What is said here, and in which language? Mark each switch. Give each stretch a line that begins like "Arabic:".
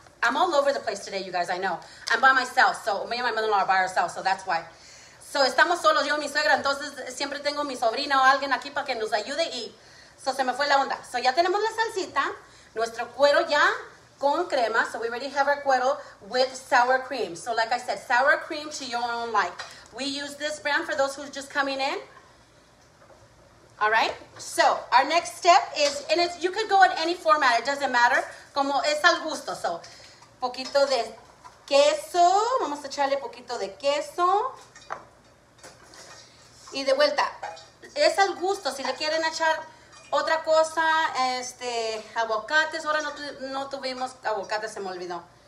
English: I'm all over the place today, you guys, I know. I'm by myself, so me and my mother-in-law are by ourselves, so that's why.
Spanish: So estamos solos, yo, mi suegra, entonces siempre tengo mi sobrina o alguien aquí para que nos ayude y so se me fue la onda. So ya tenemos la salsita, nuestro cuero ya con crema,
English: so we already have our cuero with sour cream. So like I said, sour cream to your own like. We use this brand for those who's just coming in. All right, so our next step is, and it's, you could go in any format, it doesn't matter.
Spanish: Como es al gusto, so poquito de queso, vamos a echarle poquito de queso. Y de vuelta, es al gusto, si le quieren echar otra cosa, aguacates, ahora no tuvimos aguacates, se me olvidó.